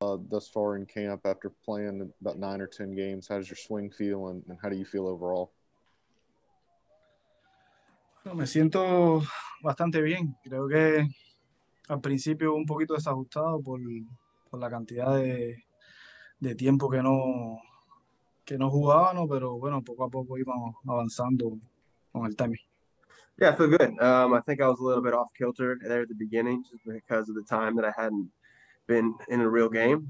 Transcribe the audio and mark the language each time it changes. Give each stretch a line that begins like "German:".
English: thus far in camp after playing about 9 or 10 games? How does your swing feel, and how do you feel overall?
Spanish: Me siento bastante bien. Creo que al principio un poquito desajustado por la cantidad de tiempo que no jugaba, ¿no? Pero bueno, poco a poco íbamos avanzando con el timing.
English: Yeah, I feel good. I think I was a little bit off kilter there at the beginning just because of the time that I hadn't been in a real game.